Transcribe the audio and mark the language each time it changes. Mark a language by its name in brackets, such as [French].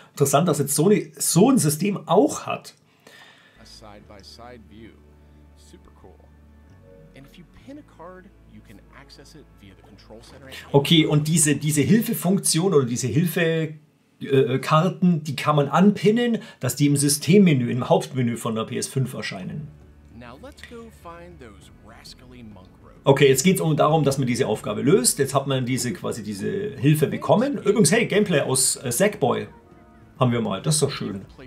[German] Interessant, dass jetzt Sony so ein System auch hat. [English] A side-by-side view. Super cool. And if you pin a card, you can access it via the control center. [German] Okay, und diese Hilfefunktion oder diese Hilfekarten, die kann man anpinnen, dass die im Systemmenü, im Hauptmenü von der PS5 erscheinen. [English] Now let's go find those rascally monk robes. [German] Okay, jetzt geht es darum, dass man diese Aufgabe löst. Jetzt hat man diese Hilfe bekommen. Übrigens, hey, Gameplay aus Sackboy haben wir mal. Das ist doch schön.